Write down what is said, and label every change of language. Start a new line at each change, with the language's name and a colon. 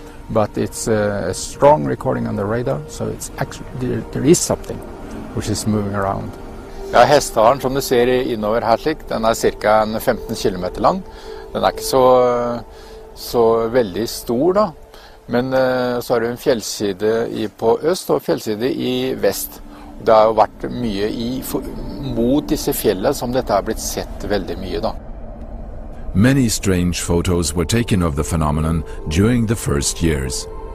English: But it's a strong recording on the radar, so it's actually there is something which is moving around.
Norwegian: Ja, Hessdalen som du ser innover her slik, den cirka 15 kilometer lang. Den ikke så veldig stor da. Men så har du en fjellside I på øst og fjellside I vest. Det har jo vært mye I mot disse fjellene som dette har blitt sett veldig mye da.
English: Many strange photos were taken of the phenomenon during the first years.